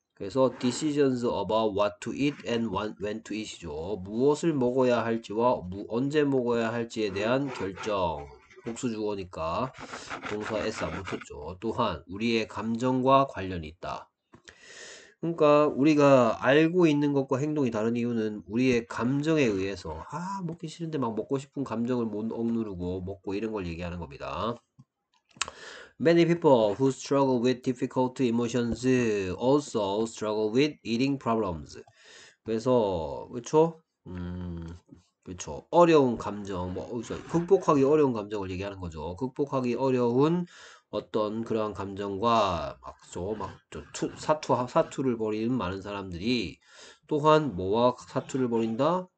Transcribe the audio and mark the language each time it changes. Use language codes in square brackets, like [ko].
[ko] 그래서 [en] decisions about what to eat and when to eat이죠. [ko] 무엇을 먹어야 할지와 언제 먹어야 할지에 대한 결정. 복수 주어니까 동사 s 안 붙었죠. 또한 우리의 감정과 관련이 있다. 그러니까 우리가 알고 있는 것과 행동이 다른 이유는 우리의 감정에 의해서, 먹기 싫은데 막 먹고 싶은 감정을 못 억누르고 먹고 이런 걸 얘기하는 겁니다. [en] Many people who struggle with difficult emotions also struggle with eating problems. [ko] 그래서, 그쵸? 그쵸. 어려운 감정, 극복하기 어려운 감정을 얘기하는 거죠. 극복하기 어려운 어떤 그러한 감정과 사투를 벌이는 많은 사람들이 또한 뭐와 사투를 벌인다?